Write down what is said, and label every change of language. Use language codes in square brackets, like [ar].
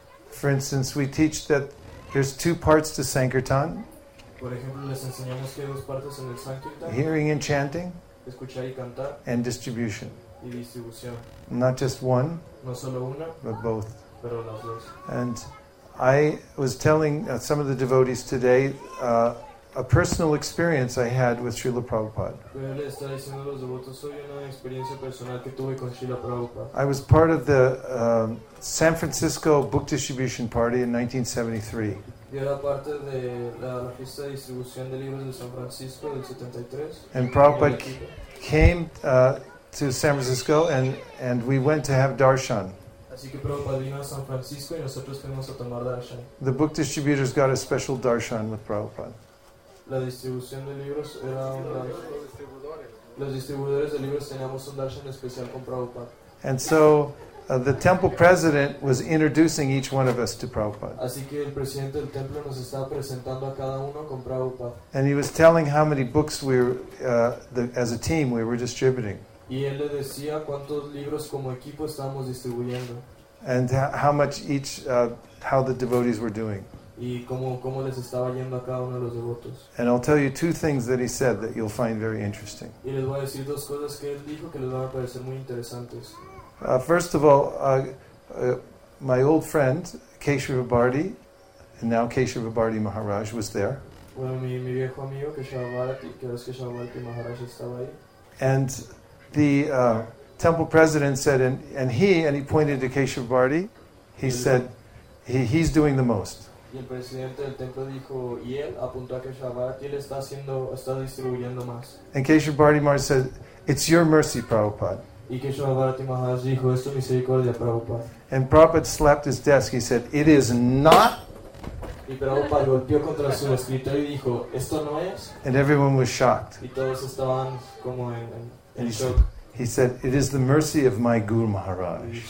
[en] For instance, we teach that there's two parts to sankirtan. [es] Por ejemplo, les enseñamos que hay dos partes en el sankirtan. [en] Hearing and chanting. [es] Escuchar y cantar. [en] And distribution. [es] Y distribución. [en] Not just one, [es] no solo una, [en] but both. [es] Pero las dos. [en] And I was telling some of the devotees today a personal experience I had with Srila Prabhupada. I was part of the San Francisco book distribution party in 1973. And Prabhupada came to San Francisco and we went to have darshan. [es] Así que Prabhupada vino a San Francisco y nosotros fuimos a tomar darshan. [en] The book distributors got a special darshan with Prabhupada. [es] La distribución de libros era un darshan. Los distribuidores de libros teníamos un darshan especial con Prabhupada. [en] And so the temple president was introducing each one of us to Prabhupada. [es] Así que el presidente del templo nos estaba presentando a cada uno con Prabhupada. [en] And he was telling how many books we were, as a team we were distributing. [es] Y él le decía cuántos libros como equipo estábamos distribuyendo. [en] And how much each, how the devotees were doing. [es] Y cómo les estaba yendo a cada uno de los devotos. [en] And I'll tell you two things that he said that you'll find very interesting. [es] Y les voy a decir dos cosas que él dijo que les van a parecer muy interesantes. [en] First of all, my old friend, Keshava Bharati, and now Keshava Bharati Maharaj, was there. [es] Bueno, mi viejo amigo, Keshava Bharati, que es Keshava Bharati Maharaj, estaba ahí. [en] And the temple president said, and he pointed to Keshava Bharati, he said, he's doing the most. [es] Y el presidente del templo dijo, y él apuntó a Keshava Bharati, él está distribuyendo más. [en] And Keshava Bharati Maharaj said, it's your mercy, Prabhupada. [es] Y Keshava Bharati Maharaj dijo, es tu misericordia, Prabhupada. [en] And Prabhupada slapped his desk, he said, it is not. [es] Y Prabhupada golpeó contra su escritorio y dijo, esto no es. [en] And everyone was shocked. [es] Y todos estaban como [en] And he said, it is the mercy of my Guru Maharaj.